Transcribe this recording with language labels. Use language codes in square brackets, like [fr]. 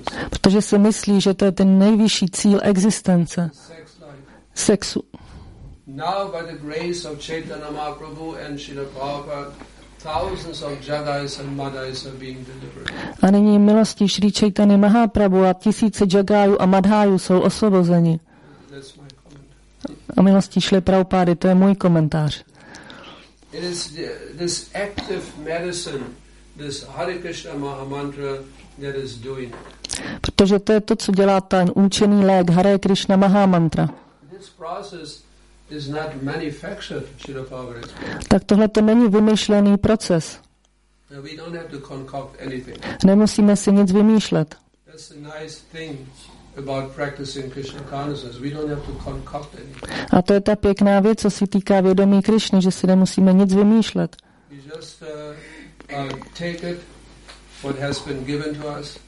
[cs] Protože si myslí, že to je ten nejvyšší cíl existence. Sexu. [en] Now by the grace of Chaitanya Mahaprabhu and Srila Prabhupada, thousands of Jagais and Madhais are being delivered. [cs] A nyní milostí Srí Chaitany Mahaprabhu a tisíce Jagajů a Madhajů jsou osvobozeni. [en] That's my comment. [cs] A milostí Srí Prabhupády, to je můj komentář. [en] It is this active medicine, this Hare Krishna Maha Mantra that is doing it. [cs] Protože to je to, co dělá ten účinný lék Hare Krishna Maha Mantra. [en] This process is not manufactured, Srila Prabhupada explained. [cs] Tak tohle to není vymyšlený proces. [en] We don't have to concoct anything. [cs] Nemusíme si nic vymýšlet. [en] That's a nice thing about practicing Krishna consciousness. We don't have to concoct anything. [cs] A to je ta pěkná věc, co se týká vědomí Krišny, že si nemusíme nic vymýšlet. [en] We just take it what has been given to us.